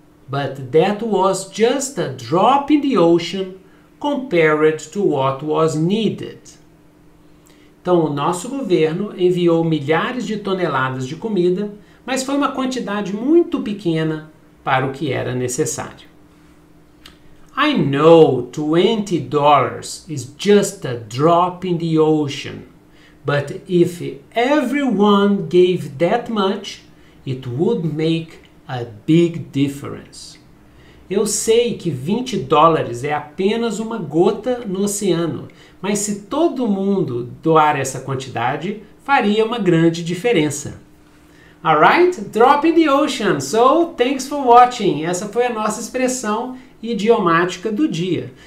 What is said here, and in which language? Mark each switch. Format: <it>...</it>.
<en>But that was just a drop in the ocean compared to what was needed.</en> <pt>Então, o nosso governo enviou milhares de toneladas de comida, mas foi uma quantidade muito pequena para o que era necessário.</pt> <en>I know $20 is just a drop in the ocean, but if everyone gave that much, it would make a big difference.</en> <pt>Eu sei que 20 dólares é apenas uma gota no oceano, mas se todo mundo doar essa quantidade, faria uma grande diferença.</pt> <en>All right? Drop in the ocean. So, thanks for watching.</en> <pt>Essa foi a nossa expressão idiomática do dia.</pt>